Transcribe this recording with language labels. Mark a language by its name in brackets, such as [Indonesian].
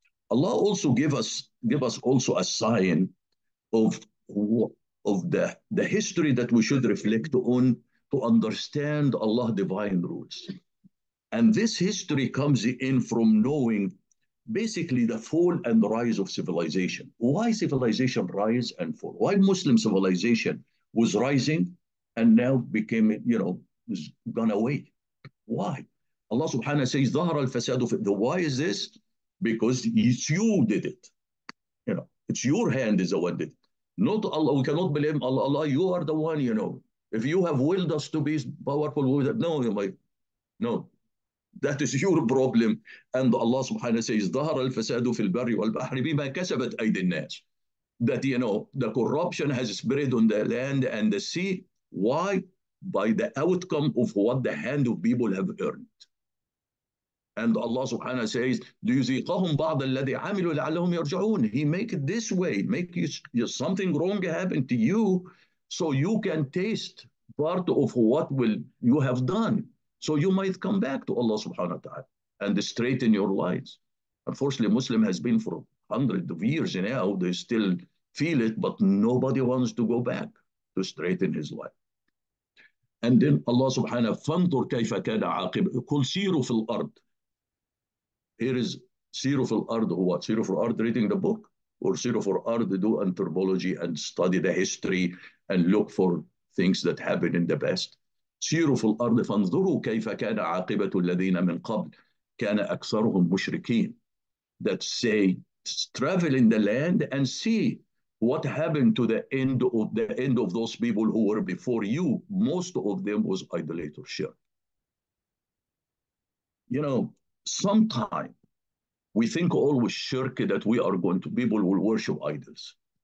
[English] Allah also give us also a sign of the history that we should reflect on to understand Allah's divine rules. And this history comes in from knowing basically the fall and rise of civilization. Why civilization rise and fall? Why Muslim civilization was rising and now became, you know, is gone away? Why? Allah subhanahu says, [Arabic] ظهر الفساد في الأرض. [English] Why is this? Because it's you did it. You know, it's your hand is the one did it. Not Allah, we cannot blame Allah. Allah, you are the one, you know. If you have willed us to be powerful, we would, no, you might, no. That is your problem. And Allah subhanahu says, [Arabic] ظهر الفساد في البر والبحر بما كسبت أيدي الناس. [English] That, you know, the corruption has spread on the land and the sea. Why? By the outcome of what the hand of people have earned. And Allah subhanahu says, [Arabic] لِيُزِيقَهُمْ بَعْضَ الَّذِي عَمِلُوا لَعَلَّهُمْ يَرْجِعُونَ. [English] He make it this way, make you something wrong happen to you so you can taste part of what will you have done. So you might come back to Allah subhanahu wa ta'ala and straighten your lives. Unfortunately, Muslim has been for hundreds of years now, they still feel it, but nobody wants to go back to straighten his life. And then Allah subhanahu, [Arabic] فَانْظُرْ كَيْفَ كَانَ عَاقِبَةً. قُلْ سِيرُوا فِي الْأَرْضِ. [English] Here is [Arabic] سيروا في الأرض. [English] What? [Arabic] سيروا في الأرض [English] reading the book? Or [Arabic] سيروا في الأرض [English] do anthropology and study the history and look for things that happened in the past. [Arabic] سيروا في الأرض فانظروا كيف كان عاقبة الذين من قبل كان أكثرهم مشركين. [English] That say, travel in the land and see what happened to the end of those people who were before you. Most of them was idolatorship. You know, sometimes we think always shirk that we are going to, people will worship idols.